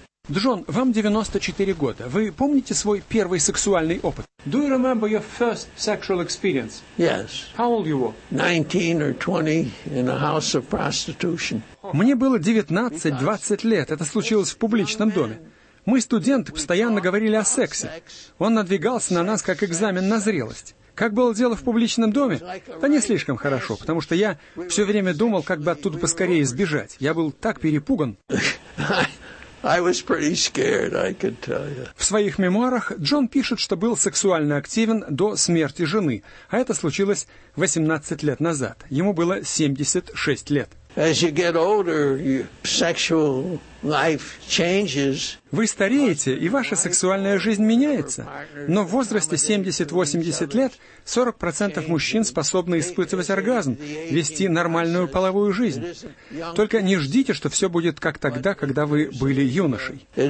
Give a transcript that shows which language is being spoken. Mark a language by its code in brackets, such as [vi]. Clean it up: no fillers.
[ru] Джон, вам 94 года. Вы помните свой первый сексуальный опыт? [en] Do you remember your first sexual experience? Yes. How old you were? 19 or 20 in a house of prostitution. [ru] Мне было 19-20 лет. Это случилось в публичном доме. Мы, студенты, постоянно говорили о сексе. Он надвигался на нас, как экзамен на зрелость. К Как было дело в публичном доме? Да не слишком хорошо, потому что я все время думал, как бы оттуда поскорее сбежать. Я был так перепуган. В своих мемуарах Джон пишет, что был сексуально активен до смерти жены, а это случилось 18 лет назад. Ему было 76 лет. [en] As you get older, sexual life changes. [ru] Вы стареете, и ваша сексуальная жизнь меняется. Но в возрасте 70-80 лет 40% мужчин способны испытывать оргазм, вести нормальную половую жизнь. Только не ждите, что все будет как тогда, когда вы были юношей.